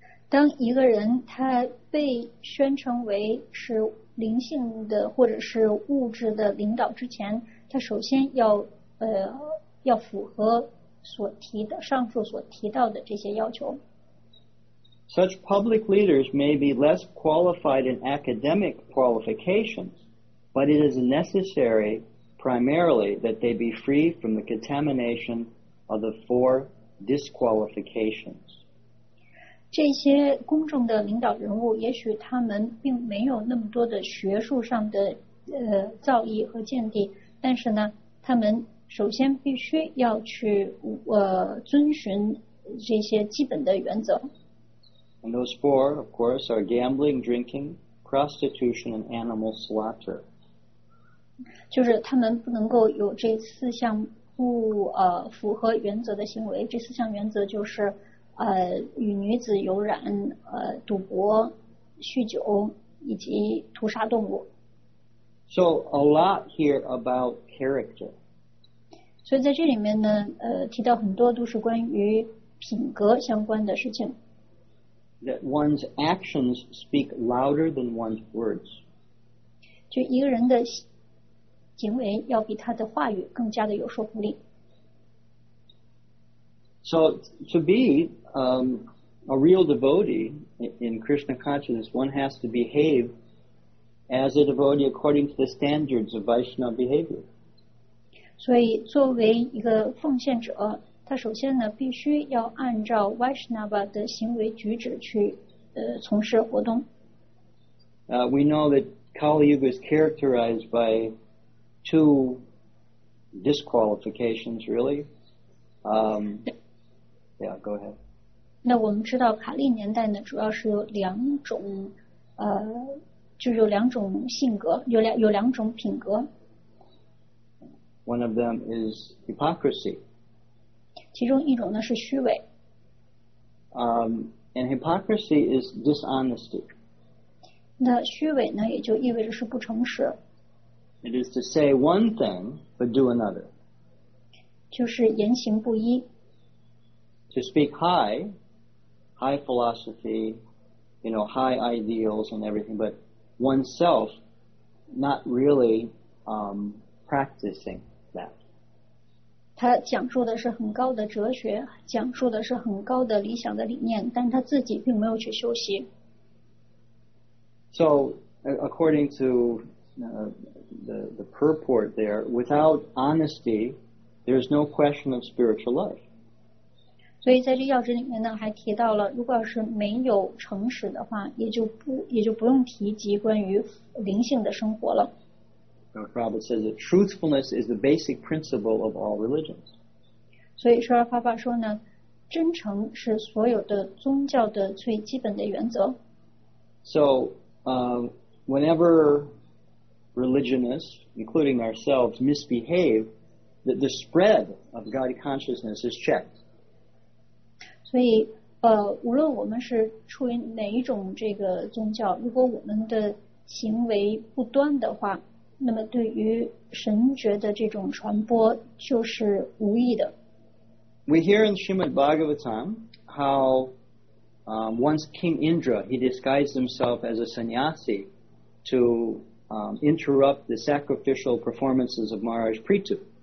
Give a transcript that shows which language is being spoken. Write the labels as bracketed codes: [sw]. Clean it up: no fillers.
[zh] 当一个人他被宣称为是灵性的或者是物质的领导之前，他首先要符合上述所提到的这些要求。 [en] Such public leaders may be less qualified in academic qualifications, but it is necessary primarily that they be free from the contamination of the four disqualifications. [zh] 这些公众的领导人物也许他们并没有那么多的学术上的造诣和见地，但是呢，他们首先必须要去遵循这些基本的原则。 [en] And those four, of course, are gambling, drinking, prostitution, and animal slaughter. [zh] 就是他们不能够有这四项不符合原则的行为。这四项原则就是与女子有染、赌博、酗酒以及屠杀动物。 [en] So a lot here about character. [zh] 所以在这里面呢，提到很多都是关于品格相关的事情。 [en] That one's actions speak louder than one's words. [zh] 就一个人的行为要比他的话语更加的有说服力。 [en] So to be a real devotee in Krishna consciousness, one has to behave as a devotee according to the standards of Vaishnava behavior. [zh] 所以作为一个奉献者，他首先呢必须要按照 Vaishnava 的行为举止去从事活动。 [en] We know that Kali Yuga is characterized by two disqualifications, really. Yeah, go ahead. [zh] 那我们知道卡利年代呢，主要是有两种，就有两种性格，有两种品格。 [en] One of them is hypocrisy. [zh] 其中一种呢是虚伪。 [en] And hypocrisy is dishonesty. [zh] 那虚伪呢，也就意味着是不诚实。 [en] It is to say one thing but do another. [zh] 就是言行不一。 [en] To speak high philosophy, you know, high ideals and everything, but oneself not really practicing that. [zh] 他讲述的是很高的哲学，讲述的是很高的理想的理念，但他自己并没有去修习。 [en] So, according to the purport there, without honesty, there's no question of spiritual life. [zh] 所以在这要旨里面呢，还提到了，如果要是没有诚实的话，也就不用提及关于灵性的生活了。 [en] Prabhupada says that truthfulness is the basic principle of all religions. [zh] 所以舍尔法巴说呢，真诚是所有的宗教的最基本的原则。 [en] So, whenever religionists, including ourselves, misbehave, that the spread of God consciousness is checked. [zh] 所以无论我们是出于哪一种这个宗教，如果我们的行为不端的话，那么对于神觉的这种传播就是无益的。 [en] We hear in Srimad Bhagavatam how once King Indra, he disguised himself as a sannyasi tointerrupt the sacrificial performances of Maharaj Prithu.